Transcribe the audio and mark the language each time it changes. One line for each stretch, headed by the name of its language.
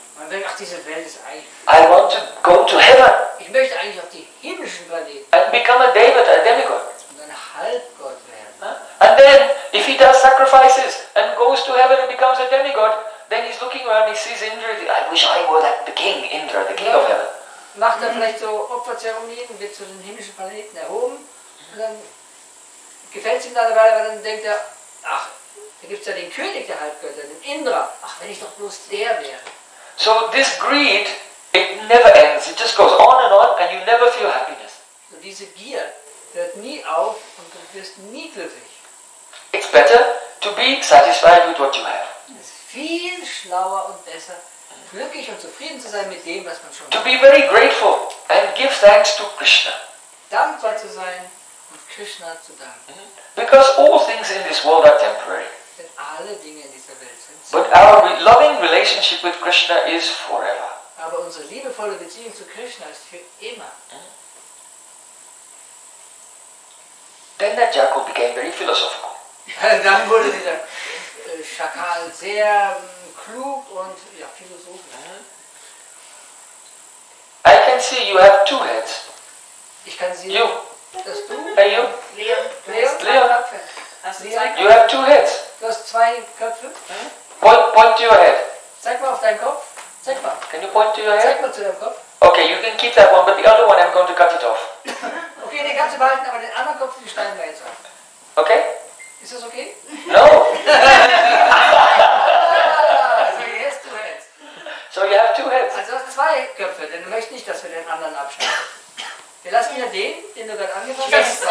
English: I want to go to heaven.
German: Ich möchte eigentlich auf die himmlischen Planeten.
English: And become a David, a demigod.
German: Und ein Halbgott werden.
English: And then, if he does sacrifices and goes to heaven and becomes a demigod, then he's looking around, he sees Indra, I wish I were that the king, Indra, the king of heaven.
German: Macht er vielleicht so Opferzeremonien, wird zu den himmlischen Planeten erhoben, und dann gefällt es ihm da dabei, weil dann denkt er, ach, da gibt es ja den König der Halbgötter, den Indra, ach, wenn ich doch bloß der wäre.
English: So this greed, it never ends, it just goes on, and you never feel happiness.
German: So diese Gier hört nie auf und du wirst nie glücklich.
English: It's better to be satisfied with what you have.
German: Es ist viel schlauer und besser, glücklich und zufrieden zu sein mit dem, was man schon hat.
English: To be very grateful and give thanks to Krishna.
German: Dankbar zu sein und Krishna zu danken. Mm-hmm.
English: Because all things in this world are temporary.
German: Denn alle Dinge in dieser Welt sind temporary.
English: But our loving relationship with Krishna is forever.
German: Aber unsere liebevolle Beziehung zu Krishna ist für immer. Mm-hmm.
English: Then that jackal became very philosophical.
German: Dann wurde dieser Schakal sehr klug und ja, philosophisch.
English: I can see you have two heads.
German: Ich kann sehen,
English: you.
German: Dass du.
English: Hey, you. Leon.
German: Hast du zwei Köpfe?
English: You have two heads.
German: Du hast zwei Köpfe.
English: Point to your head.
German: Zeig mal auf deinen Kopf. Zeig mal.
English: Can you point to your head?
German: Zeig mal zu deinem Kopf.
English: Okay, you can keep that one, but the other one I'm going to cut it off.
German: Okay, den kannst du behalten, aber den anderen Kopf, den schneiden wir jetzt ab.
English: Okay?
German: Ist das okay?
English: No! So, he has two heads. So, you have two heads.
German: Also, du hast zwei Köpfe, denn du möchtest nicht, dass wir den anderen abschneiden. Wir lassen ja den du gerade angefangen hast.